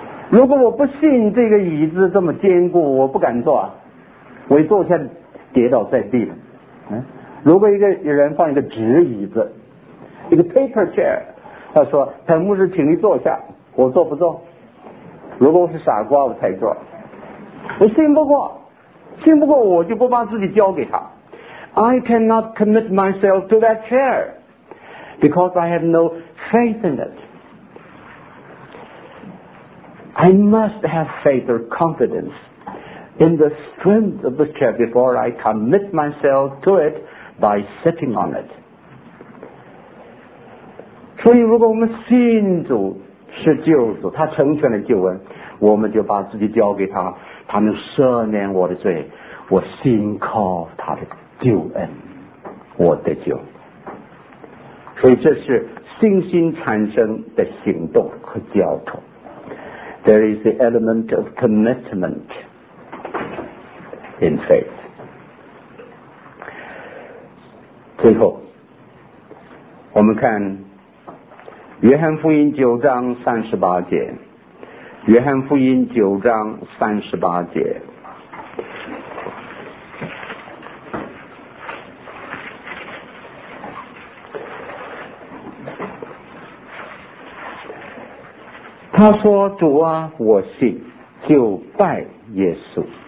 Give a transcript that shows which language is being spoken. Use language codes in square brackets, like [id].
[zh] 如果我不信这个椅子这么坚固，我不敢坐啊，我一坐下跌倒在地了。如果一个人放一个纸椅子，一个 [en] paper chair， [zh] 他说陈牧师请你坐下，我坐不坐？如果我是傻瓜我才坐。我信不过，信不过我就不把自己交给他。 [en] I cannot commit myself to that chair because I have no faith in it. I must have faith or confidence in the strength of the chair before I commit myself to it by sitting on it. [zh] 所以如果我们信主是救主，他成全了救恩，我们就把自己交给他，他能赦免我的罪，我信靠他的救恩，我得救。所以这是信心产生的行动和交通。 [en] There is the element of commitment in faith. [zh] 最后我们看约翰福音九章三十八节，约翰福音九章三十八节，他说主啊我信，就拜耶稣。